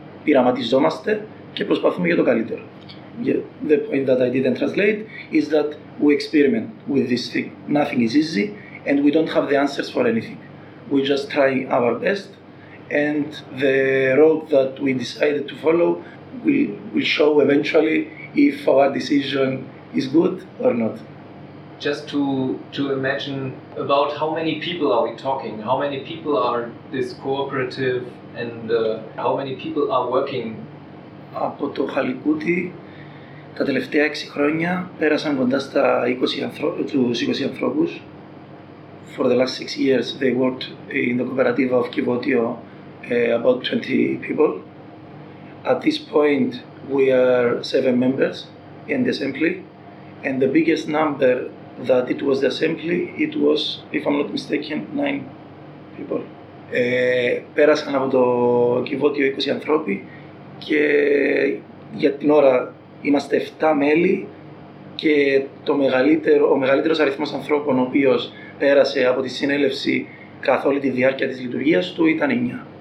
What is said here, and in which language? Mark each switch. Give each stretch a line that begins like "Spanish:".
Greek: Πειραματιζόμαστε και προσπαθούμε για το καλύτερο.
English: The point that I didn't translate is that we experiment with this thing. Nothing is easy and we don't have the answers for anything. We just try our best and the road that we decided to follow will show eventually if our decision is good or not. Just to imagine about how many people are we talking? How many people are this cooperative and how many people are working?
Greek: Από το Χαλικούτι, τα τελευταία 6 χρόνια πέρασαν κοντά στα 20 ανθρώπους.
English: For the last 6 years, they worked in the cooperative of Kivotio, about 20 people. At this point, we are 7 members in the assembly, and the biggest number that it was the assembly, it was, if I'm not mistaken, 9 people.
Greek: Πέρασαν από το Kivotio 20 ανθρώποι και για την ώρα είμαστε 7 μέλη και ο μεγαλύτερος αριθμός ανθρώπων ο οποίος πέρασε από τη συνέλευση καθ' όλη τη διάρκεια της λειτουργίας του ήταν 9.